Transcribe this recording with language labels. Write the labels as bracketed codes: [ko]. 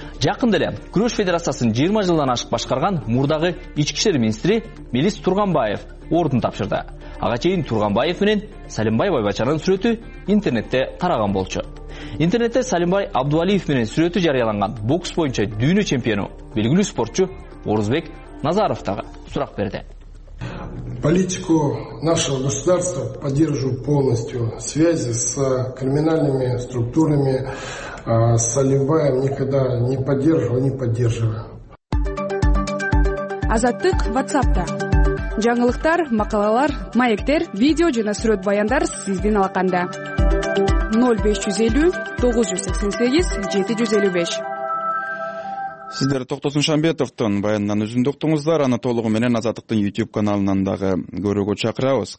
[ky] Жакында эле күрөш федерациясын 20 жылдан ашык башкарган мурдагы ички иштер министри Мелис Турганбаев ордун тапшырды. Ага чейин Турганбаев менен Салимбай Байбачанын сүрөтү интернетте тараган болчу. Интернетте Салимбай Абдувалиев менен сүрөтү жарыяланган бокс боюнча дүйнө чемпиону белгилүү спортчу Орозбек Назаров дагы сурак берди. [ru] Политику нашего государства поддерживаю полностью. Связи с криминальными структурами Салимбаем никогда не поддерживаю, не поддерживаю. [ky] Азаттык WhatsApp'та. Жаңылыктар, макалалар, маектер, видео жана сүрөт баяндар сиздин алаканда. 0550 988 755. Сиздер Токтосун Шамбетовтун баяндан үзүндүктүңүздөр. Аны толугу менен Азаттыктын YouTube каналынан дагы көрүүгө чакырабыз.